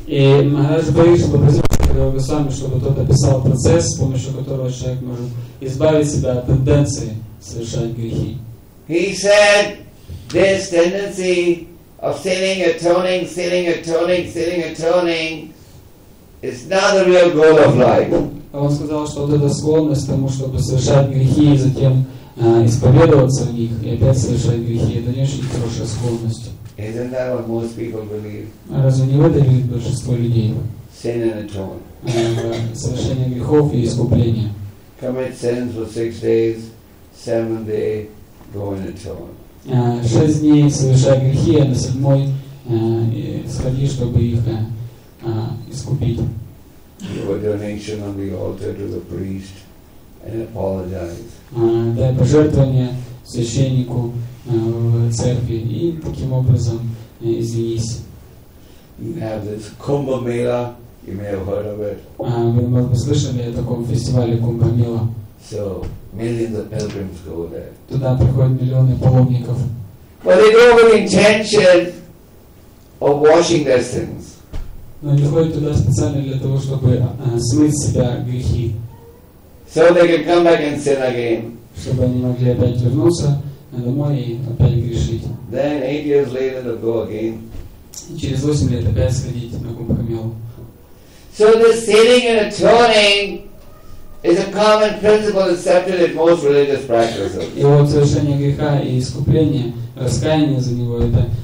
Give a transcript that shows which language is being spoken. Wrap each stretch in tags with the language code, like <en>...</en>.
<ru>И Махарадж Парикшит попросил Шукадева Госвами, чтобы тот описал процесс, с помощью которого человек может избавить себя от тенденции совершать грехи.</ru> <en>He said, this tendency of sinning, atoning, sinning, atoning, sinning, atoning is not the real goal of life.</en> <ru>Он сказал, что это склонность к тому, чтобы совершать грехи и затем исповедоваться в них и опять совершать грехи. Это не очень хорошая склонность.</ru> <en>Isn't that what most people believe?</en> <ru>Разве не в это верит большинство людей?</ru> <en>Sin and atone.</en> <ru>Совершение грехов и искупление.</ru> <en>Commit sins for 6 days, 7th day, go and atone.</en> <ru>6 дней совершай грехи, а на 7-й сходи, чтобы их искупить.</ru> <en>Give a donation on the altar to the priest and apologize.</en> <ru>Дай пожертвование священнику в церкви и таким образом извинись.</ru> <en>You have this Kumbh Mela, you may have heard of it.</en> <ru>Вы, может быть, слышали о таком фестивале Кумбха Мела.</ru> <en>So millions of pilgrims go there.</en> <ru>Туда приходят миллионы паломников.</ru> <en>But they go with intention of washing their sins. So they can come back and sin again. Then 8 years later they'll go again. So the sitting and atoning is a common principle accepted in most religious practices.</en>